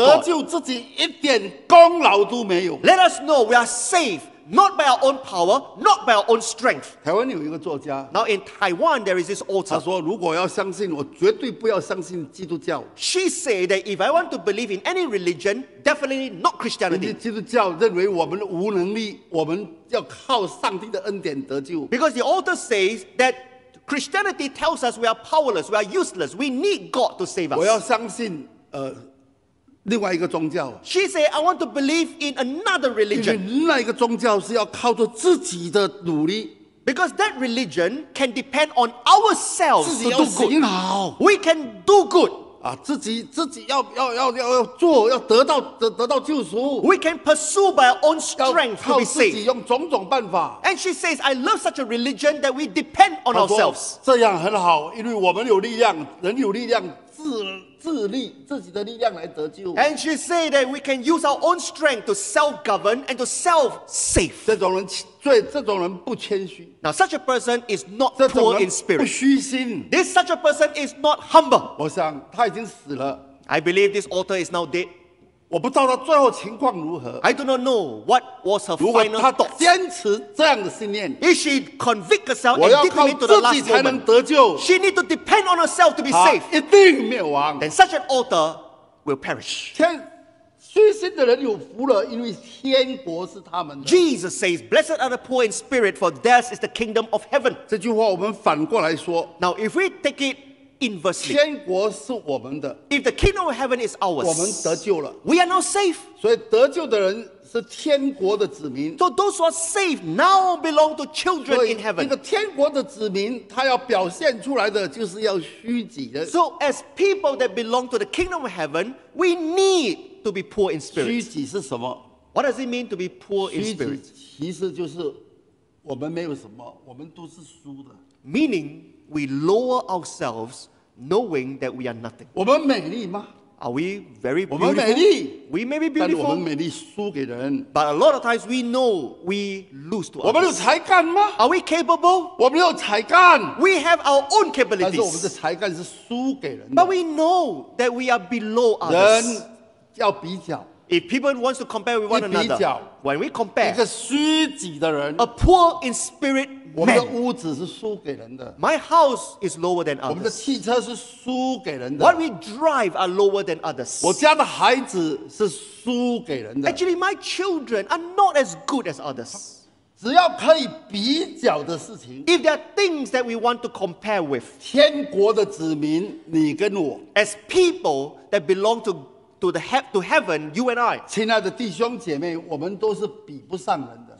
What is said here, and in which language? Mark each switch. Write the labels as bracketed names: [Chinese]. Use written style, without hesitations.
[Chinese] 我们得救自己一点功劳都没有, [English] let us know we are saved. Not by our own power, not by our own strength. [Chinese] 台湾有一个作家, [English] now in Taiwan, there is this author. [Chinese] 他说, 如果要相信, 我绝对不要相信基督教。 [English] She said that if I want to believe in any religion, definitely not Christianity. [Chinese] 基督教认为我们无能力, 我们要靠上帝的恩典得救。 [English] Because the author says that Christianity tells us we are powerless, we are useless, we need God to save us. [Chinese] 我要相信, 另外一个宗教, [English] she said, I want to believe in another religion. [Chinese] 另外一个宗教是要靠着自己的努力, [English] because that religion can depend on ourselves to do good. [Chinese] 自己要行好, [English] we can do good. [Chinese] 啊, 自己要做, 要得到救赎, [English] we can pursue by our own strength to be saved. [Chinese] 要靠自己用种种办法, [English] and she says, I love such a religion that we depend on [Chinese] 她说, [English] ourselves. [Chinese] 这样很好, 因为我们有力量, 人有力量, 自力自己的力量来得救, [English] and she said that we can use our own strength to self-govern and to self-save. [Chinese] 这种人不谦虚, [English] now such a person is not poor in spirit. [Chinese] 不虚心, [English] this such a person is not humble. [Chinese] 我想他已经死了, [English] I believe this author is now dead. [Chinese] 我不知道他最后情况如何, [English] I do not know what was her final thoughts. If she convict herself and determined to the last moment, she need to depend on herself to be safe, [Chinese] 一定灭亡, [English] then such an altar will perish. [Chinese] 虚心的人有福了, [English] Jesus says, blessed are the poor in spirit, for theirs is the kingdom of heaven. [Chinese] 这句话我们反过来说, [English] now if we take it inversely, [Chinese] 天国是我们的, [English] if the kingdom of heaven is ours, [Chinese] 我们得救了, [English] we are now safe. [Chinese] 所以得救的人是天国的子民, [English] so those who are saved now belong to children in heaven. [Chinese] 那个天国的子民, 他要表现出来的就是要虚己的, [English] so as people that belong to the kingdom of heaven, we need to be poor in spirit. [Chinese] 虚己是什么? [English] What does it mean to be poor in spirit? [Chinese] 虚己其实就是我们没有什么, 我们都是输的, [English] meaning we lower ourselves knowing that we are nothing. [Chinese] 我们美丽吗? [English] Are we very beautiful? [Chinese] 我们美丽, [English] we may be beautiful, [Chinese] 但我们美丽输给人, [English] but a lot of times we know we lose to [Chinese] 我们有才干吗? [English] Others. Are we capable? [Chinese] 我们有才干, [English] we have our own capabilities, [Chinese] 但是我们的才干是输给人的, [English] but we know that we are below others. [Chinese] 人要比较, [English] if people want to compare with one [Chinese] 一比较, [English] another, when we compare, [Chinese] 一个虚己的人, [English] a poor in spirit, [Chinese] 我们的屋子是输给人的, [English] my house is lower than others. [Chinese] 我们的汽车是输给人的, [English] what we drive are lower than others. [Chinese] 我家的孩子是输给人的, [English] actually my children are not as good as others. [Chinese] 只要可以比较的事情, [English] if there are things that we want to compare with, [Chinese] 天国的子民, 你跟我, [English] as people that belong to heaven, you and I, [Chinese] 亲爱的弟兄姐妹, 我们都是比不上人的.